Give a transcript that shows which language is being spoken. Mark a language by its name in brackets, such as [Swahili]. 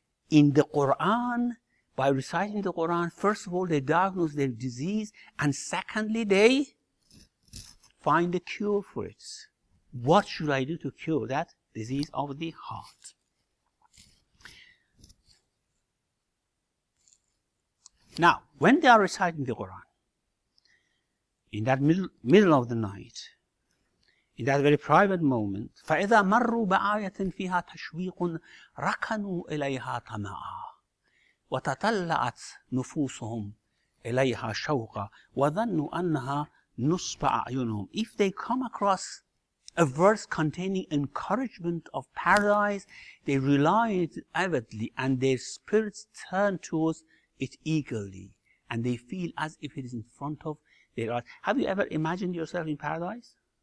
[English] In the Quran, by reciting the Quran, first of all, they diagnose their disease, and secondly, they find a cure for it. What should I do to cure that disease of the heart? Now, when they are reciting the Quran, in that middle of the night, in that very private moment, [Arabic] فَإِذَا مَرُّوا بَآيَةٍ فِيهَا تَشْوِيقٌ رَكَنُوا إِلَيْهَا طَمَعًا وَتَطَلَّعَتْ نُفُوسُهُمْ إِلَيْهَا شَوْقًا وَظَنُّوا أَنَّهَا نُصْبَ أَعْيُنُهُمْ. [English] If they come across a verse containing encouragement of paradise, they rely on it avidly and their spirits turn towards it eagerly and they feel as if it is in front of their eyes. Have you ever imagined yourself in paradise?